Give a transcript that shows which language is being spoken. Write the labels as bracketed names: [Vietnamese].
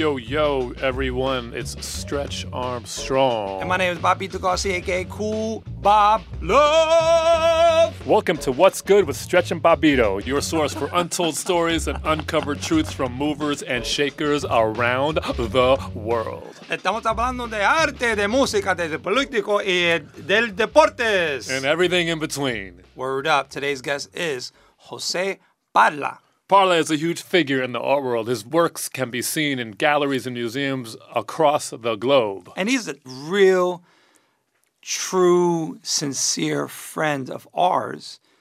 [English] Yo, everyone, it's Stretch Armstrong. And my name is Bobbito Garcia, aka Cool Bob Love. Welcome to What's Good with Stretch and Bobbito, your source for untold stories and uncovered truths from movers and shakers around the world. [Spanish] Estamos hablando de arte, de música, de político y del deportes. [English] And everything in between. Word up, today's guest is Jose Parla. Parla is a huge figure in the art world. His works can be seen in galleries and museums across the globe. And he's a real, true, sincere friend of ours.